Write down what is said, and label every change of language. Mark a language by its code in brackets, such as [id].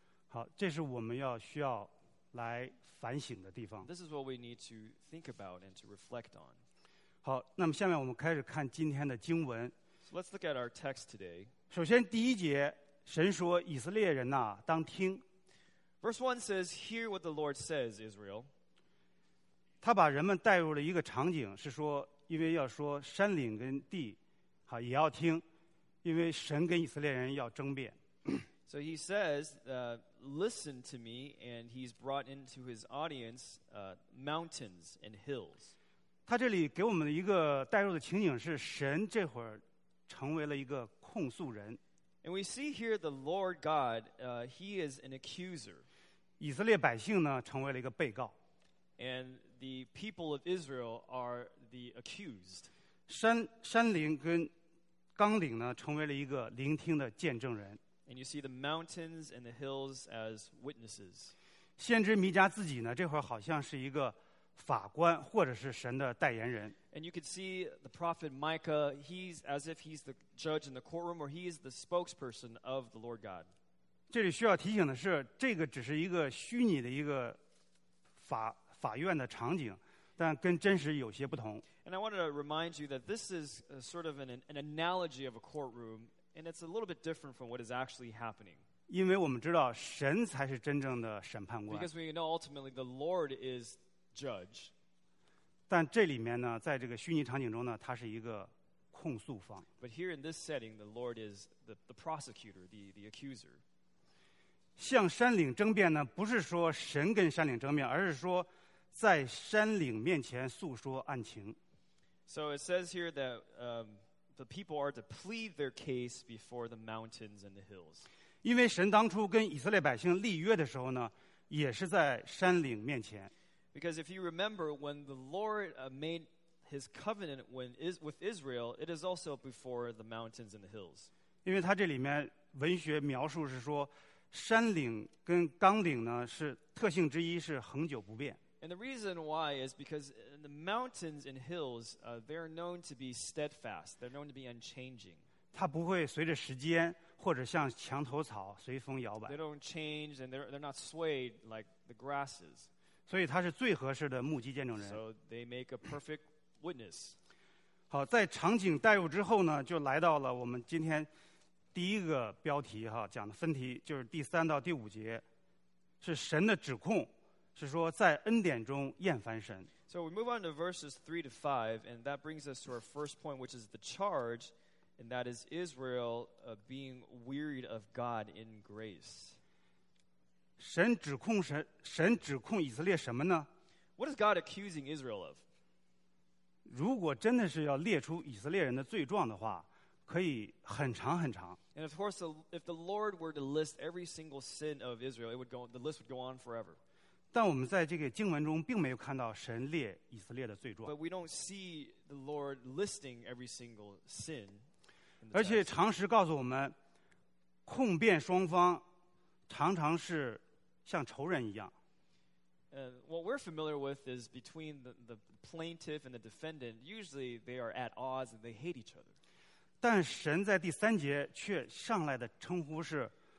[zh] 好，这是我们要需要来反省的地方。 [en] This is what we need to think about and to reflect on. [zh] 好，那么下面我们开始看今天的经文。 [en] So let's look at our text today. [zh] 首先第一节，神说以色列人呐，当听。 [en] Verse 1 says, hear what the Lord says, Israel. [zh] 他把人们带入了一个场景，是说，因为要说山岭跟地，好，也要听，因为神跟以色列人要争辩。 [en] So he says, listen to me, and he's brought into his audience mountains and hills. [zh] 他这里给我们的一个带入的情景是神这会儿成为了一个控诉人。 [en] And we see here the Lord God, he is an accuser. [zh] 以色列百姓呢成为了一个被告。 [en] And the people of Israel are the accused. [zh] 山岭跟冈岭呢成为了一个聆听的见证人。 [en] And you see the mountains and the hills as witnesses. [zh] 先知弥迦自己呢，这会儿好像是一个法官，或者是神的代言人。 [en] And you can see the prophet Micah, he's as if he's the judge in the courtroom, or he is the spokesperson of the Lord God. [zh] 这里需要提醒的是，这个只是一个虚拟的一个法院的场景，但跟真实有些不同。 [en] And I wanted to remind you that this is sort of an analogy of a courtroom. And it's a little bit different from what is actually happening. Because we know ultimately the Lord is judge. [zh] 但这里面呢，在这个虚拟场景中呢，他是一个控诉方。 [en] But here in this setting, the Lord is the prosecutor, the accuser. [zh] 向山岭争辩呢，不是说神跟山岭争辩，而是说在山岭面前诉说案情。 [en] So it says here that, The people are to plead their case before the mountains and the hills. [zh] 因为神当初跟以色列百姓立约的时候呢，也是在山岭面前。 [en] Because if you remember, when the Lord made his covenant with Israel, it is also before the mountains and the hills. [zh] 因为他这里面文学描述是说，山岭跟冈岭呢是特性之一，是恒久不变。 [en] And the reason why is because in the mountains and hills, they're known to be steadfast. They're known to be unchanging. [zh] 它不会随着时间或者像墙头草随风摇摆。 [en] They don't change and they're not swayed like the grasses. [zh] 所以它是最合适的目击见证人。 [en] So they make a perfect witness. [zh] 好，在场景带入之后呢，就来到了我们今天第一个标题哈，讲的分题，就是第三到第五节，是神的指控。是说在恩典中厌烦神。 [en] So we move on to verses 3 to 5, and that brings us to our first point, which is the charge, and that is Israel being wearied of God in grace. [zh] 神指控以色列什么呢？ [en] What is God accusing Israel of? [zh] 如果真的是要列出以色列人的罪状的话，可以很长很长。 [en] And of course, if the Lord were to list every single sin of Israel, the list would go on forever. [zh] 但我们在这个经文中并没有看到神列以色列的罪状。 [en] But we don't see the Lord listing every single sin. [zh] 而且常识告诉我们，控辩双方常常是像仇人一样。 [en] What we're familiar with is between the plaintiff and the defendant. Usually they are at odds and they hate each other. [zh] 但神在第三节却上来的称呼是。